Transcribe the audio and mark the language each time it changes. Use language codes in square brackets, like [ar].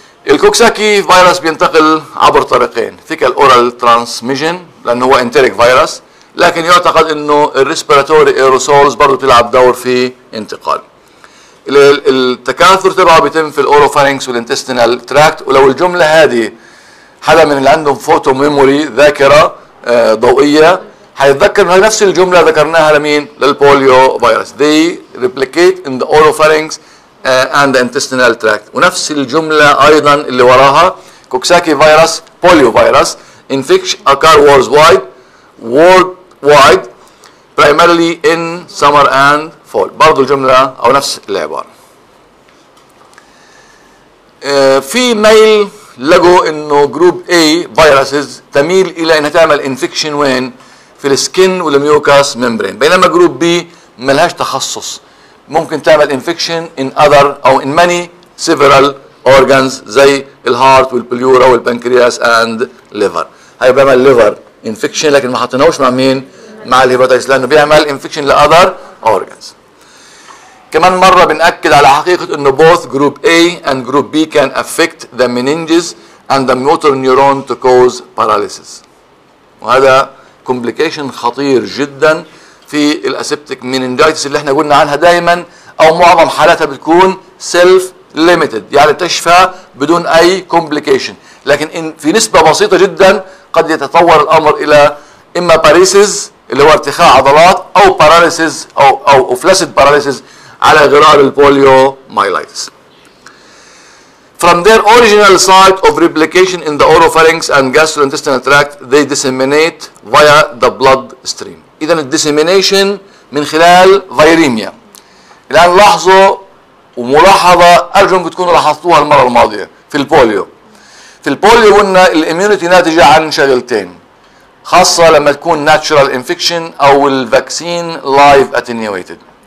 [ar] الكوكساكي فيروس بينتقل عبر طريقين، فيكال اورال ترانسميشن لانه هو انتريك فيروس، لكن يعتقد انه الريسبيراتوري ايروسولز برضو تلعب دور في انتقال. التكاثر تبعه بيتم في الاوروفارينكس والانتستينال تراكت. ولو الجمله هذه حدا من اللي عندهم فوتو ميموري، ذاكرة ضوئية، هيتذكر من نفس الجملة ذكرناها لمين؟ للبوليو فيروس. [en] They replicate in the oropharynx and the intestinal tract. [ar] ونفس الجملة أيضا اللي وراها كوكساكي فيروس بوليو فيروس [en] infection occur worldwide primarily in summer and fall. [ar] برضو الجملة أو نفس العبارة. في ميل لقوا انه جروب A viruses تميل الى انها تعمل infection وين؟ في السكن والميوكاس ممبرين. بينما جروب B ملهاش تخصص، ممكن تعمل [en] infection in other [ar] او in many several organs زي الهارت والبليورا والبنكرياس and liver. هاي بيعمل liver infection لكن ما حطناهوش مع مين؟ مع الهيباتيتس، لانه بيعمل infection ل other organs. كمان مرة بنأكد على حقيقة انه [en] both group A and group B can affect the meninges and the motor neuron to cause paralysis. [ar] وهذا complication خطير جدا في الأسيبتيك مينينجايتس اللي احنا قلنا عنها دائما او معظم حالاتها بتكون self ليميتد، يعني تشفى بدون اي كومبليكيشن، لكن ان في نسبه بسيطه جدا قد يتطور الامر الى اما باريسز اللي هو ارتخاء عضلات، او باراليسز او فلاسيد باراليسز على غرار البوليو مايلايتس. [en] From their original site of replication in the oropharynx and gastrointestinal tract, they disseminate via the bloodstream. [ar] إذا dissemination من خلال فيريميا. الآن لاحظوا وملاحظة أرجو أنكم تكونوا لاحظتوها المرة الماضية في البوليو. في البوليو قلنا الإميونيتي ناتجة عن شغلتين، خاصة لما تكون natural infection أو الفاكسين live attenuated.